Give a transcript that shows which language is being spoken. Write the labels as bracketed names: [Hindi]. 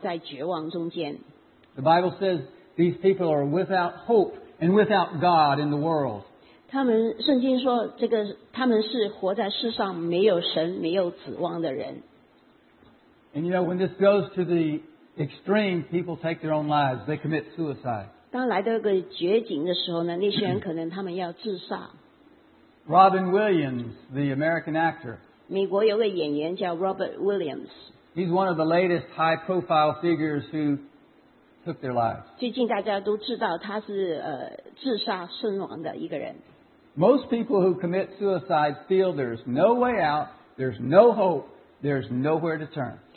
[English] The Bible says these people are without hope and without God in the world. [Chinese] 他们圣经说，这个他们是活在世上没有神、没有指望的人。 [English] And you know, when this goes to the extreme, people take their own lives. They commit suicide. [Chinese] 当来到一个绝境的时候呢，那些人可能他们要自杀。 [English] Robin Williams, the American actor. [Chinese] 美国有个演员叫Robert Williams。 [English] He's one of the latest high-profile figures who took their lives. [Chinese] 最近大家都知道他是自杀身亡的一个人。 [English] Most people who commit suicide feel there's no way out, there's no hope, there's nowhere to turn.